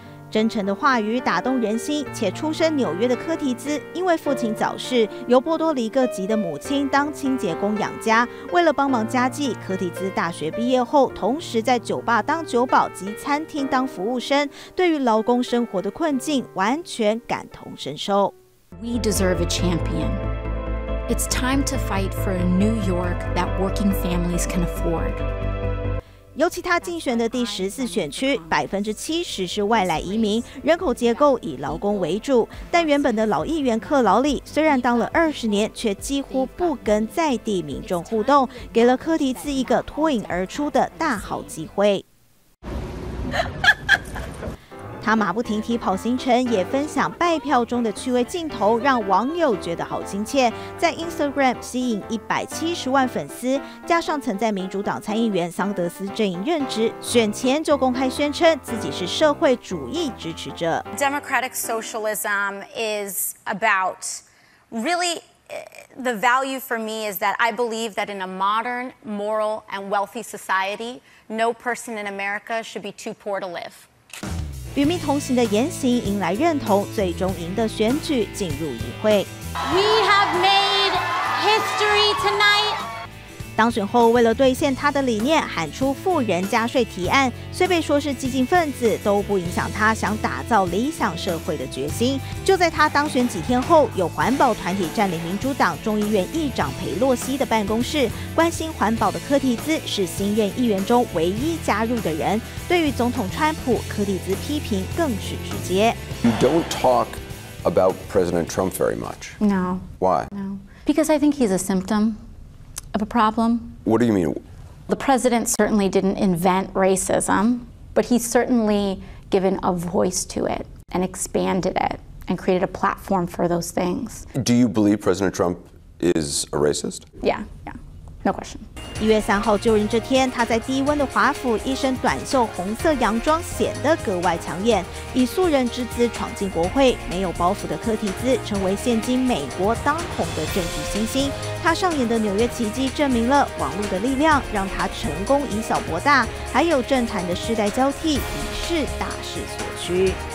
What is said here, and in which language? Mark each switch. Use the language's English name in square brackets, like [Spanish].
[Chinese] 真诚的话语打动人心，且出身纽约的柯提兹，因为父亲早逝，由波多黎各籍的母亲当清洁工养家。为了帮忙家计，柯提兹大学毕业后，同时在酒吧当酒保及餐厅当服务生，对于劳工生活的困境完全感同身受。 [English] We deserve a champion. It's time to fight for a New York that working families can afford. [Chinese] 尤其他竞选的第十四选区，70%是外来移民，人口结构以劳工为主。但原本的老议员克劳利虽然当了20年，却几乎不跟在地民众互动，给了柯提兹一个脱颖而出的大好机会。他马不停蹄跑行程，也分享拜票中的趣味镜头，让网友觉得好亲切。在 Instagram 吸引170万粉丝，加上曾在民主党参议员桑德斯阵营任职，选前就公开宣称自己是社会主义支持者。 [English] Democratic socialism is about really the value for me is that I believe that in a modern, moral, and wealthy society, no person in America should be too poor to live. [Chinese] 与民同行的言行迎来认同，最终赢得选举进入议会。 [English] We have made history tonight. [Chinese] 当选后，为了兑现他的理念，喊出富人加税提案，虽被说是激进分子，都不影响他想打造理想社会的决心。就在他当选几天后，有环保团体占领民主党众议院议长裴洛西的办公室。关心环保的柯提兹是新任议员中唯一加入的人。对于总统川普，柯提兹批评更是直接。 [English] You don't talk about President Trump very much. No. Why? No. Because I think he's a symptom of a problem. What do you mean? The president certainly didn't invent racism, but he's certainly given a voice to it and expanded it and created a platform for those things. Do you believe President Trump is a racist? Yeah, yeah. No question. [Chinese] 1月3号就任这天，他在低温的华府，一身短袖红色洋装显得格外抢眼，以素人之姿闯进国会，没有包袱的科提兹成为现今美国当红的政治新星。他上演的纽约奇迹证明了网络的力量让他成功以小博大，还有政坛的世代交替已是大势所趋。